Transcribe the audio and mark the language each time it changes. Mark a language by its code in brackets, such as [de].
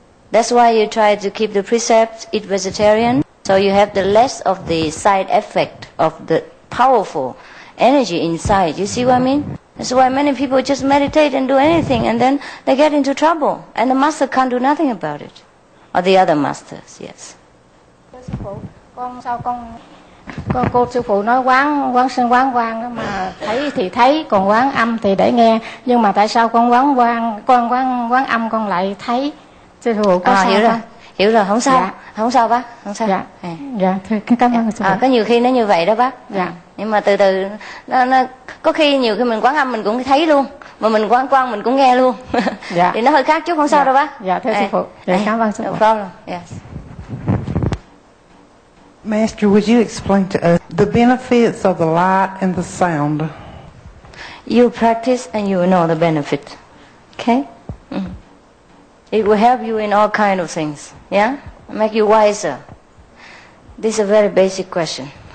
[en] That's why you try to keep the precepts, eat vegetarian, so you have the less of the side effect of the powerful energy inside. You see what I mean? That's why many people just meditate and do anything, and then they get into trouble, and the Master can't do nothing about it. Or the other Masters, yes. [vi] Con sao cô sư phụ nói quán sinh quán quang mà thấy thì thấy, còn quán âm thì để nghe, nhưng mà tại sao con quán âm con lại thấy sư phụ có sao? Hiểu rồi, không sao. Dạ. Không sao bác, không sao. Dạ. Dạ, thưa, cảm ơn sư phụ. Có nhiều khi nó như vậy đó bác. Dạ. Nhưng mà từ nó có khi nhiều khi mình quán âm mình cũng thấy luôn, mà mình quán quang mình cũng nghe luôn. Dạ. Thì nó hơi khác chút, không sao dạ. đâu bác. Dạ, thưa sư phụ. Dạ, cảm ơn sư phụ. [en] No problem. Yes. Master, would you explain to us the benefits of the light and the sound? You practice and you will know the benefit. Okay? It will help you in all kind of things. Yeah? Make you wiser. This is a very basic question.